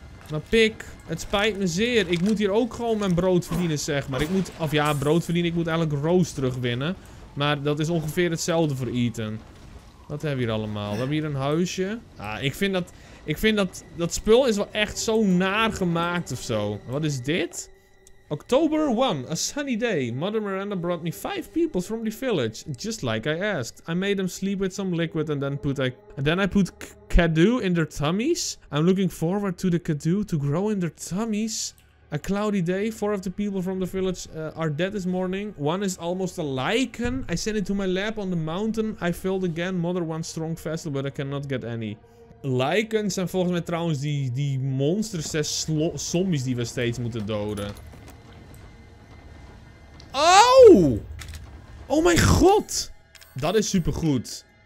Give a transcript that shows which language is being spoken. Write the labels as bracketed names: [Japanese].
[Dutch] Maar pik, het spijt me zeer. Ik moet hier ook gewoon mijn brood verdienen, zeg maar. Ik moet, of ja, brood verdienen. Ik moet eigenlijk Rose terugwinnen. Maar dat is ongeveer hetzelfde voor Ethan. Wat hebben we hier allemaal? We hebben hier een huisje. Ah, ik vind dat spul is wel echt zo naar gemaakt of zo. Wat is dit? [English] October 1, a sunny day. Mother Miranda brought me 5 people from the village, just like I asked. I made them sleep with some liquid and then I put cadu in their tummies. I'm looking forward to the cadu to grow in their tummies. A cloudy day, 4 of the people from the village are dead this morning. One is almost a lichen. I sent it to my lab on the mountain. I filled again Mother 1's strong vessel, but I cannot get any. [Dutch] Lichens zijn volgens mij trouwens die monsters, 6 zombies die we steeds moeten doden. Oh! Oh mijn god! Dat is supergoed.